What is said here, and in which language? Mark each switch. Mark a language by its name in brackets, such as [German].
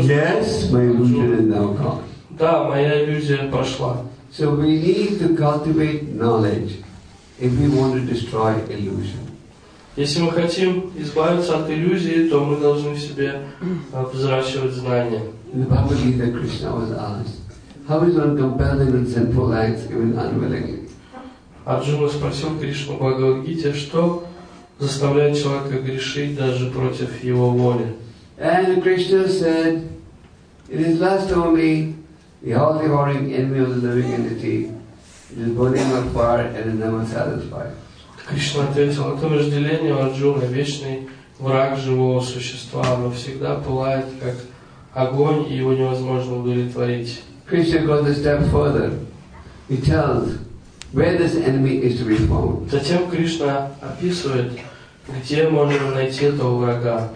[English] yes, my illusion is now gone. [Russian] Да, моя иллюзия прошла. [English] So we need to cultivate knowledge if we want to destroy illusion. [Russian] Если мы хотим избавиться от иллюзии, то мы должны в себе взращивать знания. [English] In the Bhagavad Gita, Krishna was asked, how is one compelling and sinful acts even unwillingly? [Russian] Арджуна спросил Кришну в Бхагавад Гите, что заставляет человека грешить даже против его воли. [English] And Krishna said, it is lust only, the all-devouring enemy of the living entity, it is burning of fire and is never satisfied. [Russian] Кришна ответил, это вожделение Арджуны, вечный враг живого существа, оно всегда пылает, как огонь, и его невозможно удовлетворить. [English] Krishna goes a step further. He tells where this enemy is to be found. [Russian] Затем Кришна описывает, где можно найти этого врага.